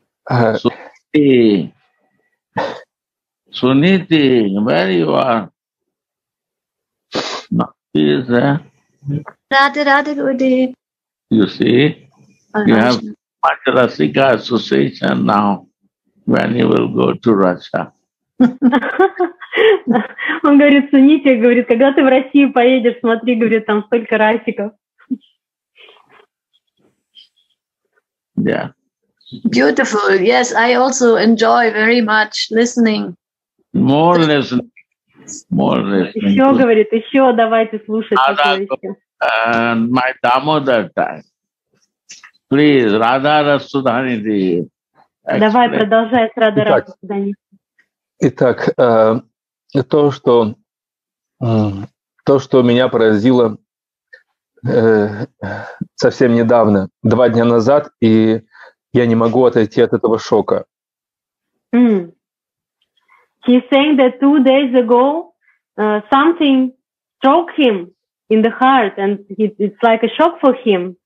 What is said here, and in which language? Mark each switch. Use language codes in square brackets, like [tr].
[en] Suniti. Suniti, where you are? No, she is there. Radhe, Radhe, Gurudev. You see, you have much Rasika association now, when you will go to Russia. [ru] Он говорит, Суните, говорит, когда ты в Россию поедешь, смотри, говорит, там столько расиков. [en] Yeah. Beautiful. Yes, I also enjoy very much listening. More listening. More listening. [ru] Еще, говорит, еще давайте слушать. [en] Radha, my Damodar time. Please, Radha Rasudhani. [ru] Давай, продолжай с Radha Rasudhani. Итак, то, что меня поразило совсем недавно, 2 дня назад, и я не могу отойти от этого шока. Mm. [en] He's saying that 2 days ago something struck him in the heart, and it's like a shock for him.